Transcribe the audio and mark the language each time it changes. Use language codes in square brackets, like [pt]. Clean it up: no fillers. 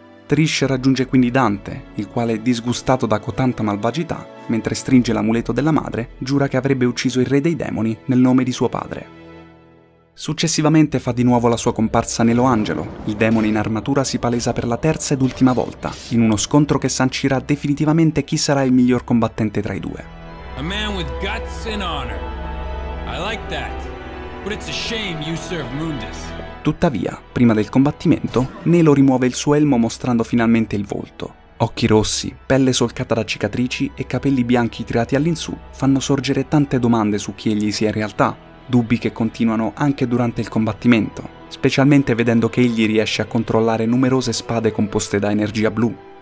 [it] Trish raggiunge quindi Dante, il quale, disgustato da cotanta malvagità, mentre stringe l'amuleto della madre, giura che avrebbe ucciso il re dei demoni nel nome di suo padre. Successivamente fa di nuovo la sua comparsa Nelo Angelo, il demone in armatura si palesa per la terza ed ultima volta, in uno scontro che sancirà definitivamente chi sarà il miglior combattente tra i due. [en] A man with guts and honor. I like that. But it's a shame you serve Mundus. [it] Tuttavia, prima del combattimento, Nelo rimuove il suo elmo mostrando finalmente il volto. Occhi rossi, pelle solcata da cicatrici e capelli bianchi tirati all'insù fanno sorgere tante domande su chi egli sia in realtà, dubbi che continuano anche durante il combattimento, specialmente vedendo che egli riesce a controllare numerose spade composte da energia blu.